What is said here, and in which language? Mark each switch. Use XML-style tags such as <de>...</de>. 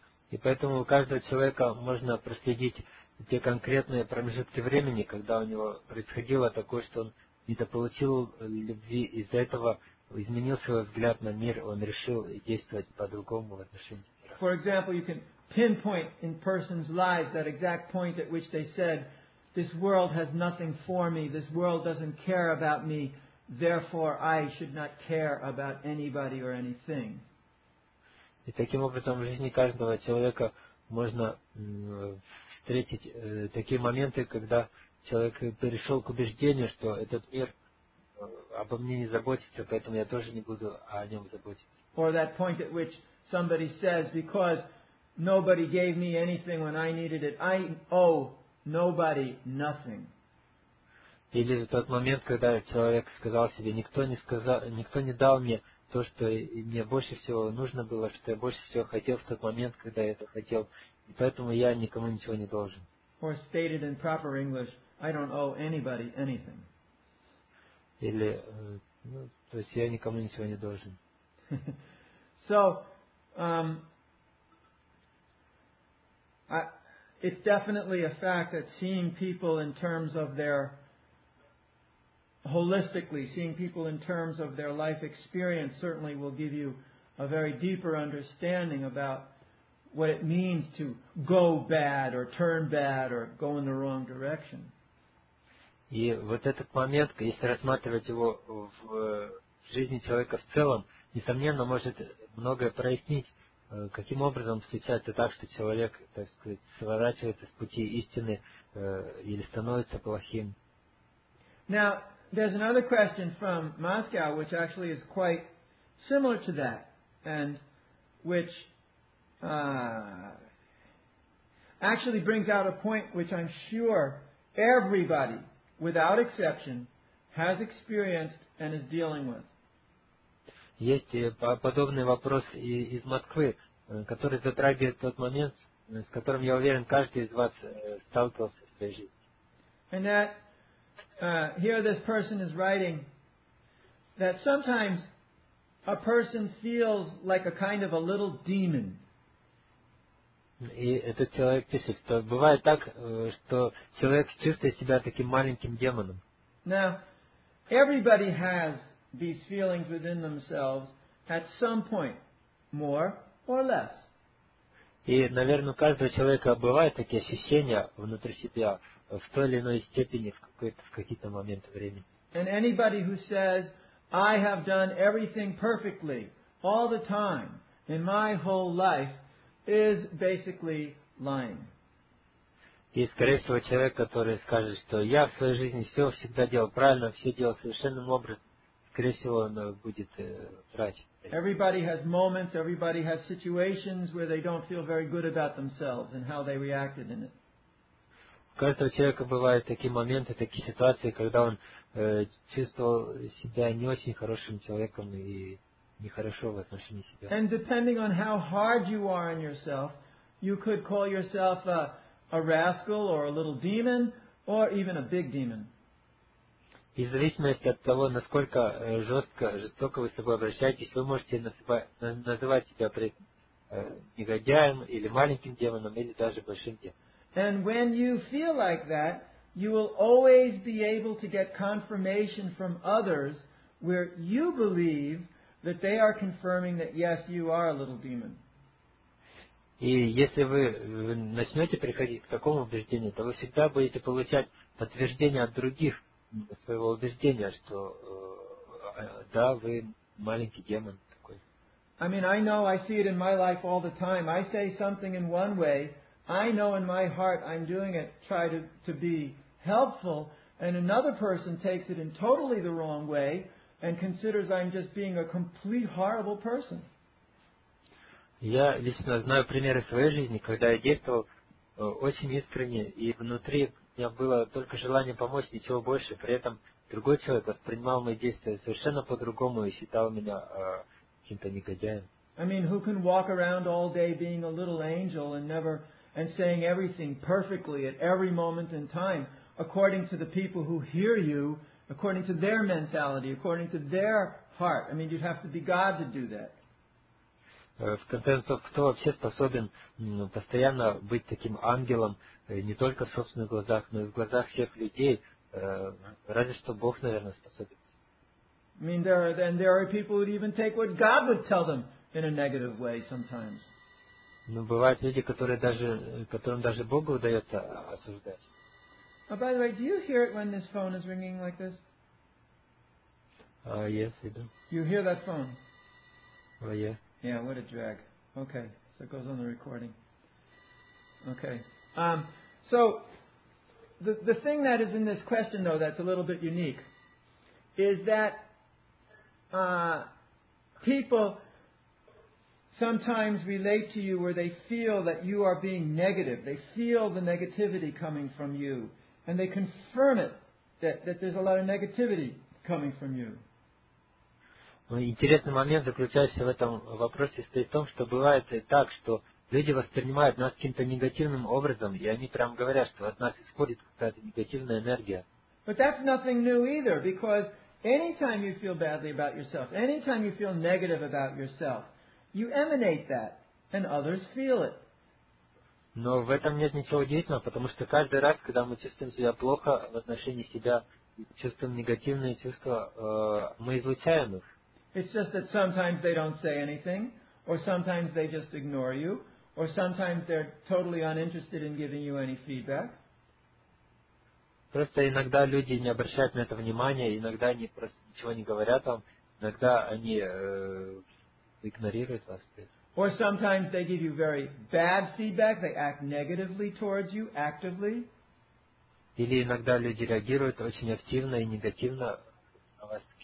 <ru>И поэтому у каждого человека можно проследить те конкретные промежутки времени, когда у него происходило такое, что он недополучил любви, из-за этого изменил свой взгляд на мир, он решил действовать по-другому в отношении мира.</ru> <en>For example, you can pinpoint in person's lives that exact point at which they said, this world has nothing for me, this world doesn't care about me, therefore I should not care about anybody or anything.</en> <ru>И таким образом в жизни каждого человека можно встретить такие моменты, когда человек перешел к убеждению, что этот мир обо мне не заботится, поэтому я тоже не буду о нем заботиться.</ru> <en>Or that point at which somebody says, because nobody gave me anything when I needed it, I owe nobody nothing.</en> <ru>Или тот момент, когда человек сказал себе, никто не дал мне то, что мне больше всего нужно было, что я больше всего хотел в тот момент, когда я это хотел, и поэтому я никому ничего не должен.</ru> <en>Or stated in proper English, I don't owe anybody anything.</en> <ru>Или, ну, то есть я никому ничего не должен.</ru> <en>So, it's definitely a fact that seeing people in terms of their holistically, seeing people in terms of their life experience certainly will give you a very deeper understanding about what it means to go bad or turn bad or go in the wrong direction.</en> <ru>И вот этот момент, если рассматривать его в жизни человека в целом, несомненно, может многое прояснить, каким образом случается так, что человек, так сказать, сворачивается с пути истины или становится плохим.</ru> <en>Now, there's another question from Moscow, which actually is quite similar to that, and which actually brings out a point which I'm sure everybody, without exception, has experienced and is dealing with.</en> <ru>Есть подобный вопрос из Москвы, который затрагивает тот момент, с которым, я уверен, каждый из вас сталкивался в своей жизни.</ru> <en>And that here this person is writing that sometimes a person feels like a kind of a little demon.</en> <ru>И этот человек пишет, что бывает так, что человек чувствует себя таким маленьким демоном.</ru> <en>Now, everybody has these feelings within themselves at some point, more or less.</en> <ru>И, наверное, у каждого человека бывают такие ощущения внутри себя в той или иной степени в какие-то моменты времени.</ru> <en>And anybody who says, I have done everything perfectly, all the time, in my whole life, is basically lying.</en> <ru>И, скорее всего, человек, который скажет, что я в своей жизни все всегда делал правильно, все делал совершенным образом, скорее всего, он будет врать.</ru> <en>Everybody has moments, everybody has situations where they don't feel very good about themselves and how they reacted in it.</en> <ru>У каждого человека бывают такие моменты, такие ситуации, когда он чувствовал себя не очень хорошим человеком и нехорошо в отношении себя.</ru> <en>And depending on how hard you are on yourself, you could call yourself a rascal or a little demon or even a big demon.</en> <ru>И в зависимости от того, насколько жестоко вы с собой обращаетесь, вы можете называть себя негодяем или маленьким демоном, или даже большим демоном.</ru> <en>And when you feel like that, you will always be able to get confirmation from others where you believe that they are confirming that, yes, you are a little demon.</en> <ru>И если вы начнете приходить к такому убеждению, то вы всегда будете получать подтверждение от других своего убеждения, что да, вы маленький демон такой.</ru> <en>I mean, I know I see it in my life all the time. I say something in one way, I know in my heart I'm doing it, try to be helpful, and another person takes it in totally the wrong way, and considers I'm just being a complete horrible person.</en> <ru>Я лично знаю примеры своей жизни, когда я действовал очень искренне, и внутри у меня было только желание помочь, ничего больше. При этом другой человек воспринимал мои действия совершенно по-другому и считал меня каким-то негодяем.</ru> <en>I mean, who can walk around all day being a little angel and never and saying everything perfectly at every moment in time, according to the people who hear you, according to their mentality, according to their heart? I mean, you'd have to be God to do that.</en> <ru>В конце концов, кто вообще способен постоянно быть таким ангелом, не только в собственных глазах, но и в глазах всех людей, разве что Бог, наверное, способен.</ru> <en>I mean, there are people who even take what God would tell them in a negative way sometimes.</en> <ru>Ну, бывают люди, которым даже Богу удается осуждать.</ru> <en>Oh, by the way, do you hear it when this phone is ringing like this? Yes, I do. You hear that phone? Oh, yeah. Yeah, what a drag. Okay, so it goes on the recording. Okay, so the thing that is in this question, though, that's a little bit unique, is that people sometimes relate to you where they feel that you are being negative. They feel the negativity coming from you, and they confirm it, that there's a lot of negativity coming from you.</en> <ru>Интересный момент, заключающийся в этом вопросе, стоит в том, что бывает и так, что люди воспринимают нас каким-то негативным образом, и они прям говорят, что от нас исходит какая-то негативная энергия.</ru> <en>But that's nothing new either, because anytime you feel badly about yourself, anytime you feel negative about yourself, you emanate that, and others feel it.</en> <ru>Но в этом нет ничего удивительного, потому что каждый раз, когда мы чувствуем себя плохо в отношении себя, чувствуем негативные чувства, мы излучаем их.</ru> <en>It's just that sometimes they don't say anything, or sometimes they just ignore you, or sometimes they're totally uninterested in giving you any feedback.</en> <ru>Просто иногда люди не обращают на это внимания, иногда они просто ничего не говорят вам, иногда они игнорируют вас.</ru> <en>Or sometimes they give you very bad feedback, they act negatively towards you, actively.</en> <ru>Или иногда люди реагируют очень активно и негативно на вас.</ru>